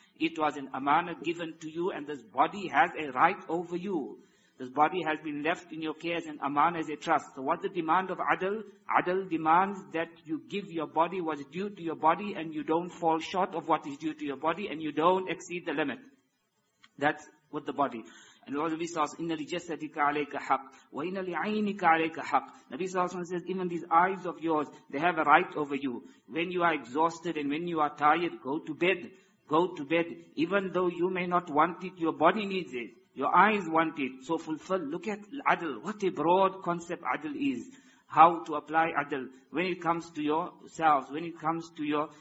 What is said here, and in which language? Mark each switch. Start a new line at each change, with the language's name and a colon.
English: It was an amanah given to you and this body has a right over you. This body has been left in your care as an aman, as a trust. So what's the demand of adl? Adl demands that you give your body what's due to your body and you don't fall short of what is due to your body and you don't exceed the limit. That's with the body. And Lord Nabi says,
Arabic: إِنَّ لِجَسَّدِكَ عَلَيْكَ حَقٍّ وَإِنَّ لِعَيْنِكَ عَلَيْكَ حَقٍّ.
English: Nabi Sallallahu says, even these eyes of yours, they have a right over you. When you are exhausted and when you are tired, go to bed. Go to bed. Even though you may not want it, your body needs it. Your eyes want it, so fulfill. Look at adl, what a broad concept adl is. How to apply adl when it comes to yourselves, when it comes to your...